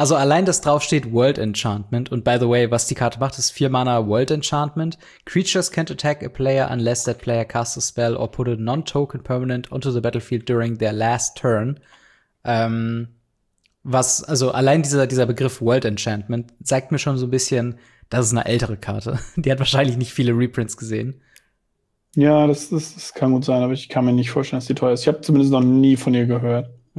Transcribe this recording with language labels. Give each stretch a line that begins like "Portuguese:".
German: Also allein, dass drauf steht World Enchantment. Und
English: by the way,
German: was die Karte macht, ist 4 Mana World Enchantment.
English: Creatures can't attack a player unless that player casts a spell or put a non-token permanent onto the battlefield during their last turn.
German: Was, also allein dieser Begriff World Enchantment zeigt mir schon so ein bisschen, das ist eine ältere Karte. Die hat wahrscheinlich nicht viele Reprints gesehen. Ja, das kann gut sein, aber ich kann mir nicht vorstellen, dass die teuer ist. Ich habe zumindest noch nie von ihr gehört.